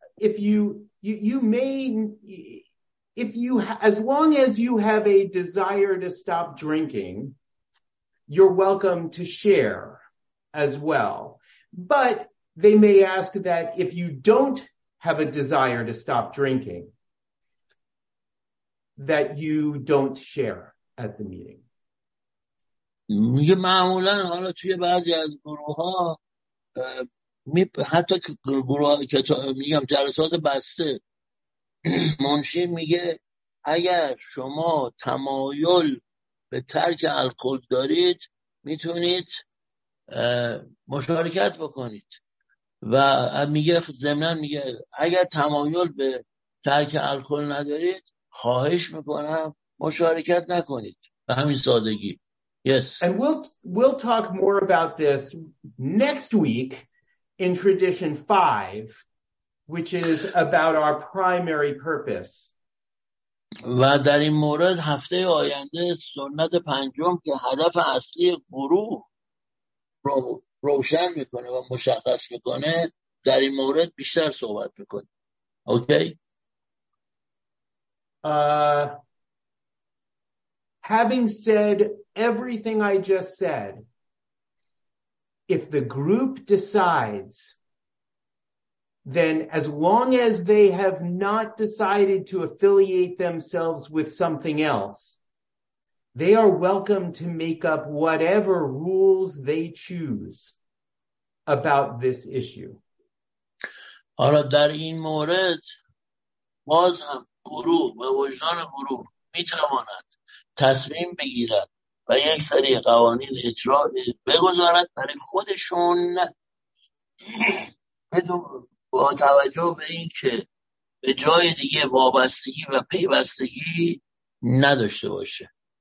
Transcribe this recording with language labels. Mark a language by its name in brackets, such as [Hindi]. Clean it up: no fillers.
[English] if as long as you have a desire to stop drinking, you're welcome to share as well. But they may ask that if you don't have a desire to stop drinking, that you don't share at the meeting. [Persian] میگه معمولا حالا توی بعضی از گروه ها حتی گروه ها که میگم جلسات بسته منشی میگه اگر شما تمایل به ترک الکل دارید میتونید مشارکت بکنید و میگه ضمن میگه اگر تمایل به ترک الکل ندارید خواهش میکنم مشارکت نکنید به همین سادگی. [English] Yes. And we'll talk more about this next week in tradition 5, which is about our primary purpose. [Persian] و در این مورد هفته آینده سنت پنجم که هدف اصلی گروه روشن میکنه و مشخص میکنه در این مورد بیشتر صحبت میکنه. [English] Okay. Having said everything I just said, if the group decides, then as long as they have not decided to affiliate themselves with something else, they are welcome to make up whatever rules they choose about this issue. [Persian] حالا در این مورد باز هم گروه و وجدان گروه میتواند تصمیم بگیرد و یک سری قوانین اجرا بگذارد برای خودشون با توجه به این که به جای دیگه وابستگی و پیوستگی نداشته باشه.